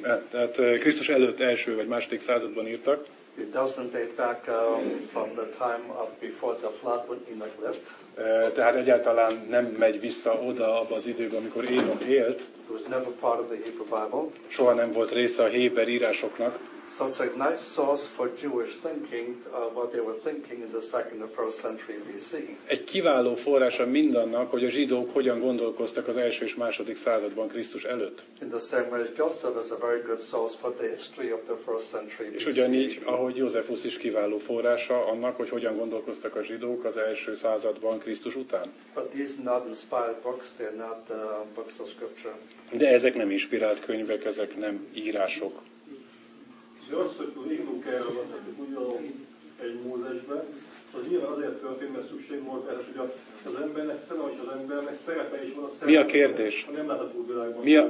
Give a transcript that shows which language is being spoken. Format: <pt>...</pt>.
<hu>Tehát Krisztus előtt első vagy második században írtak.</hu> <en>It doesn't date back from the time of before the flood when Enoch lived.</en> <hu>Tehát egyáltalán nem megy vissza oda abba az időbe, amikor Enoch élt.</hu> <en>It was never part of the Hebrew Bible.</en> <hu>Soha nem volt része a héber írásoknak.</hu> <en>So it's a nice source for Jewish thinking, what they were thinking in the second and first century BC.</en> <hu>Egy kiváló forrása mindannak, hogy a zsidók hogyan gondolkoztak az első és második században Krisztus előtt.</hu> <en>In the same way, Joseph is a very good source for the history of the first century BC.</en> <hu>És ugyanígy, ahogy Józsefusz is kiváló forrása annak, hogy hogyan gondolkoztak a zsidók az első században Krisztus után.</hu> <en>But these are not inspired books, they're not books of scripture.</en> <hu>De ezek nem inspirált könyvek, ezek nem írások. És azt, hogy Enoch elragadhatjuk ugyanúgy egy Mózesbe, az nyilván azért történt, mert szükség volt erre, hogy az embernek szerepe is van, a szerepe is van. Mi a kérdés? A nem látható világban.</hu>